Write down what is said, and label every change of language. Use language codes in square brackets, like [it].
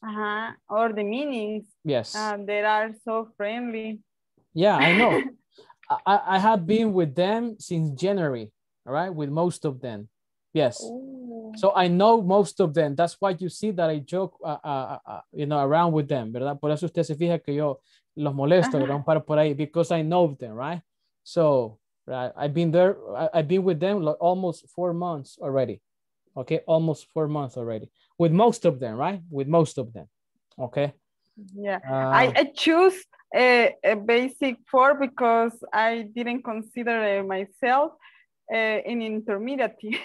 [en] Uh-huh. Or the meanings. Yes. They are so friendly. Yeah, I know. I have been with them since January, all right? With most of them. Yes. Ooh. So I know most of them. That's why you see that I joke, you know, around with them, [es] ¿verdad? Por eso usted se fija que yo los molesto, uh-huh. ¿verdad? Por ahí, [en] because I know them, right? So, right, I've been there, I've been with them like almost 4 months already. Okay, almost 4 months already. With most of them, right? With most of them, okay? Yeah, I choose a basic four because I didn't consider myself an intermediate.